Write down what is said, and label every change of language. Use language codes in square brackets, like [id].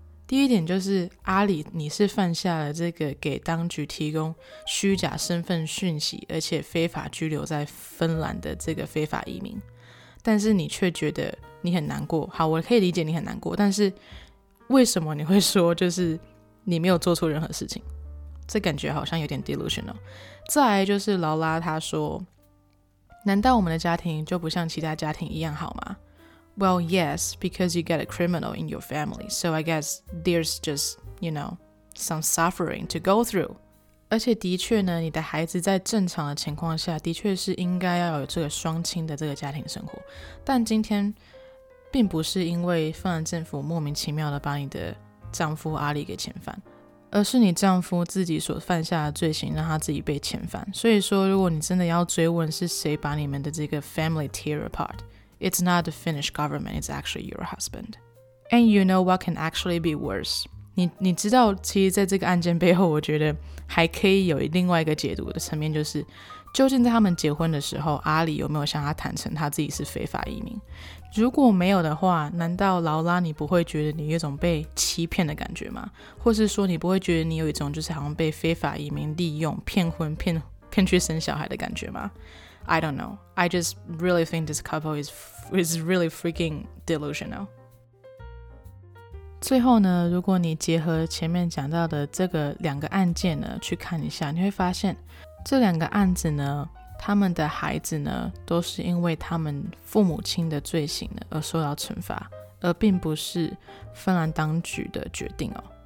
[zh] 第一点就是阿里，你是犯下了这个给当局提供虚假身份讯息而且非法拘留在芬兰的这个非法移民，但是你却觉得你很难过。好，我可以理解你很难过，但是为什么你会说就是你没有做错任何事情？这感觉好像有点 delusional。再来就是劳拉他说，难道我们的家庭就不像其他家庭一样好吗？ [en] Well, yes, because you got a criminal in your family, so I guess there's just, you know, some suffering to go through. [zh] 而且的确呢，你的孩子在正常的情况下，的确是应该要有这个双亲的这个家庭生活。但今天并不是因为芬兰政府莫名其妙的把你的丈夫阿里给遣返，而是你丈夫自己所犯下的罪行让他自己被遣返。所以说，如果你真的要追问是谁把你们的这个 [en] family tear apart,It's not the Finnish government, it's actually your husband. And you know what can actually be worse? [zh] 你知道其实在这个案件背后，我觉得还可以有另外一个解读的层面，就是究竟在他们结婚的时候，阿里有没有向他坦诚他自己是非法移民？如果没有的话，难道劳拉你不会觉得你有一种被欺骗的感觉吗？或是说你不会觉得你有一种就是好像被非法移民利用骗婚骗去生小孩的感觉吗？ [en] I don't know. I just really think this couple is really freaking delusional. [zh] 最后呢，如果你结合前面讲到的这个两个案件呢去看一下，你会发现这两个案子呢，他们的孩子呢都是因为他们父母亲的罪行呢而受到惩罚，而并不是芬兰当局的决定哦。